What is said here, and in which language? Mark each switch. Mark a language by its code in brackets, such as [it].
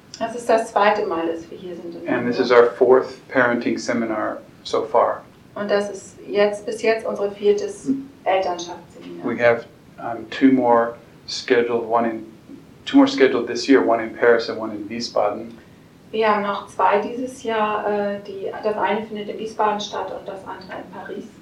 [de] Das ist das zweite Mal, dass wir hier sind. [en] And this is our fourth parenting seminar so far. [de] Und das ist jetzt bis jetzt unsere viertes Elternschaftsseminar. [en] We have two more scheduled this year, one in Paris and one in Wiesbaden. [de] Wir haben noch zwei dieses Jahr, das eine findet in Wiesbaden statt und das andere in Paris.